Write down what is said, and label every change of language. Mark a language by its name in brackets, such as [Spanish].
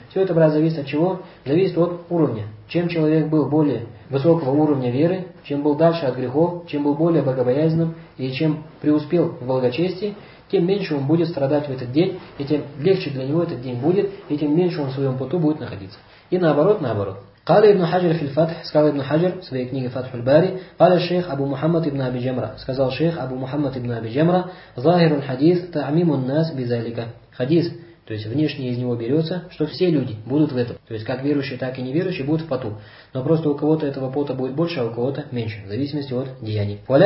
[Russian] Все это, брат, зависит от чего? Зависит от уровня. Чем человек был более высокого уровня веры, чем был дальше от грехов, чем был более богобоязненным и чем преуспел в благочестии, тем меньше он будет страдать в этот день, и тем легче для него этот день будет, и тем меньше он в своем поту будет находиться. И наоборот, наоборот. [Arabic] قال ابن حجر في الفتح سكال ابن حجر في [Russian] книге [Arabic] فتح الباري قال الشيخ أبو محمد ابن أبي جمرة [Russian] сказал [Arabic] الشيخ أبو محمد ابن أبي جمرة ظاهر الحديث تعميم الناس بذلك حديث [Russian] то есть внешнее из него берется, что все люди будут в этом. То есть как верующие, так и неверующие будут в поту. Но просто у кого-то этого пота будет больше, а у кого-то меньше, в зависимости от деяний.